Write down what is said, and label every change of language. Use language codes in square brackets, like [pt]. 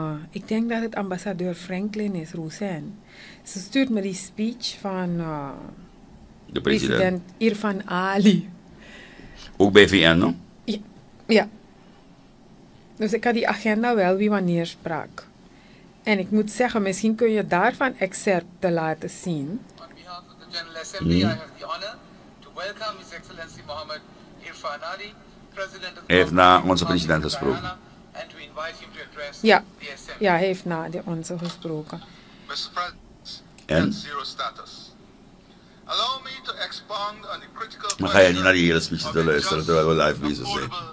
[nl] ik denk dat het ambassadeur Franklin is, Roussin. Ze stuurt me die speech van... de president. Irfan Ali. Ook bij VN, no? Ja. Dus ik had die agenda wel wie wanneer sprak. En ik moet zeggen, misschien kun je daarvan excerpten laten zien. [en] On behalf of the General Assembly, I have the honor to welcome His Excellency Mohammed Irfan Ali, President of the [nl] Heeft na onze president gesproken. [en] And to invite him to address the assembly. [nl] Ja, hij heeft na de onze gesproken. [en] Mr. President, net zero status. Allow me to expand on the critical... [nl] Maar ga je niet naar die hele speech te luisteren terwijl we live bezig zijn.